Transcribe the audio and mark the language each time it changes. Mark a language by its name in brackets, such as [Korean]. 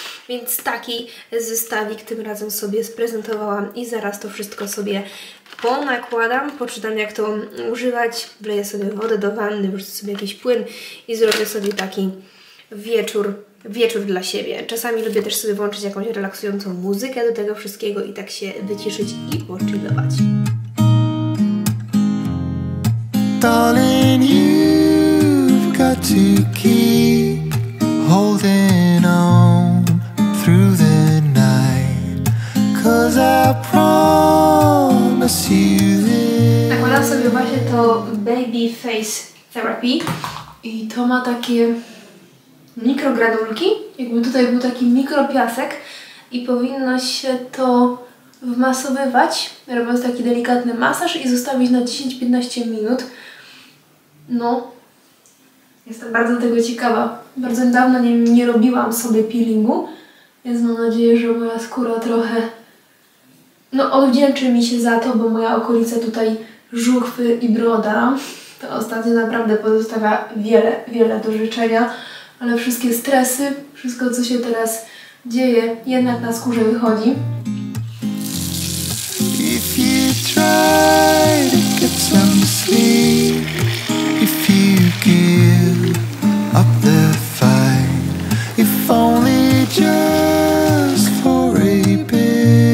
[Polish] Więc taki zestawik tym razem sobie sprezentowałam i zaraz to wszystko sobie ponakładam, poczytam, jak to używać, wleję sobie wodę do wanny, wrzucę sobie jakiś płyn i zrobię sobie taki wieczór dla siebie. Czasami lubię też sobie włączyć jakąś relaksującą muzykę do tego wszystkiego i tak się wyciszyć i poczillować. [English] Darling, you've got to keep holding on through the night, 'cause I promise. [Polish] Nakładam sobie właśnie to Baby Face Therapy i to ma takie mikrogranulki, jakby tutaj był taki mikropiasek i powinno się to wmasowywać, robiąc taki delikatny masaż i zostawić na 10-15 minut. No, jestem bardzo tego ciekawa. Bardzo dawno nie robiłam sobie peelingu, więc mam nadzieję, że moja skóra trochę, no, odwdzięczy mi się za to, bo moja okolica tutaj żuchwy i broda to ostatnio naprawdę pozostawia wiele, wiele do życzenia, ale wszystkie stresy, wszystko co się teraz dzieje, jednak na skórze wychodzi. [English] If you try to get some sleep, if you give up the fight, if only just for a bit.